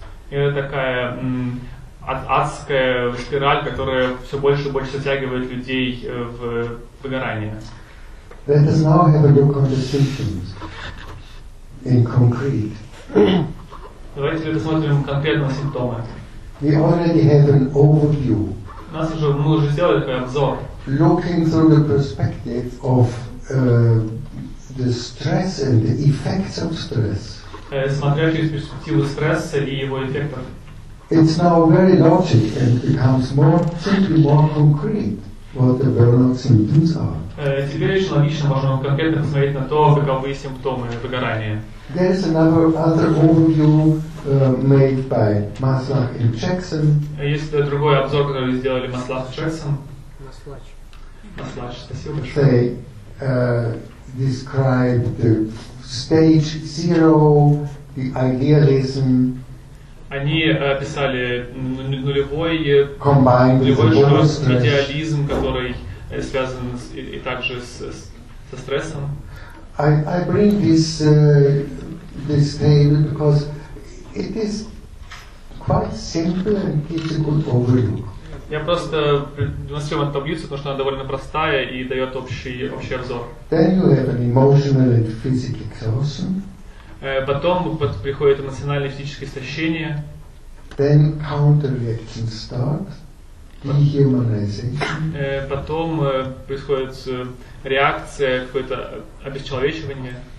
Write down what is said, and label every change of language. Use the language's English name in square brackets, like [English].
[Russian] Это такая адская спираль, которая все больше и больше затягивает людей в выгорание. [English] Let us now have a look on the symptoms in concrete. [Russian] Давайте рассмотрим конкретно симптомы. [English] We already had an overview. [Russian] Нас уже мы уже сделали такой обзор. [English] Looking through the perspective of the stress and the effects of stress. [Russian] Смотря через перспективу стресса и его эффектов. [English] It's now very logic and becomes more simply more concrete what the burnout symptoms are. [Russian] Теперь еще логично можно конкретно посмотреть на то, каковы симптомы выгорания. [English] There is another other overview made by Maslach and Jackson. [Russian] Есть другой обзор, который сделали Maslach и Jackson. [English] Maslach. [Russian] Maslach, спасибо большое. [English] They describe the stage zero, the idealism. [Russian] Они описали нулевой идеализм, который связан с, и также со стрессом. [English] I bring this this table because it is quite simple and gives a good overview. [Russian] Я просто демонстрирую эту таблицу, потому что она довольно простая и дает общий обзор. [English] Then you have an emotional and physical exhaustion. [Russian] Потом приходит эмоциональное и физическое истощение. [English] Then counter-reaction starts, dehumanization. [Russian] Потом происходит реакция, какое-то обесчеловечивание.